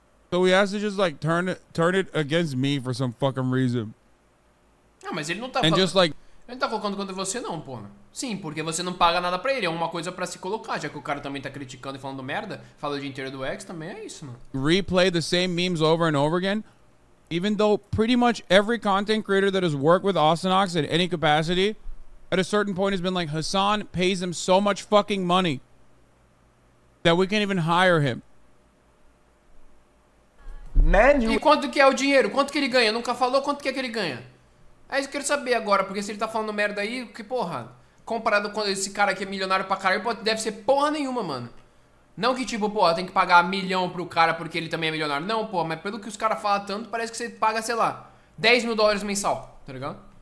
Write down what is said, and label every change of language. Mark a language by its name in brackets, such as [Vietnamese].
[English] So he has to just like turn it against me for some fucking reason. [Portuguese] Ah, mas ele não tá falando... [English] Like, [Portuguese] ele não tá colocando contra você não, pô. Sim, porque você não paga nada pra ele. É uma coisa pra se colocar, já que o cara também tá criticando e falando merda. Fala o dia inteiro do X, também é isso, mano. [English] Replay the same memes over and over again. Even though pretty much every content creator that has worked with Austin Ox in any capacity, at a certain point has been like, Hasan pays him so much fucking money that we can't even hire him. Man, you... [Portuguese] E quanto que é o dinheiro? Quanto que ele ganha? Nunca falou quanto que é que ele ganha? É isso que eu quero saber agora, porque se ele tá falando merda aí, que porra, comparado com esse cara que é milionário pra caralho, pode, deve ser porra nenhuma, mano. Não que tipo, porra, tem que pagar milhão pro cara porque ele também é milionário. Não, porra, mas pelo que os caras falam tanto, parece que você paga, sei lá, $10,000 mensal, tá ligado?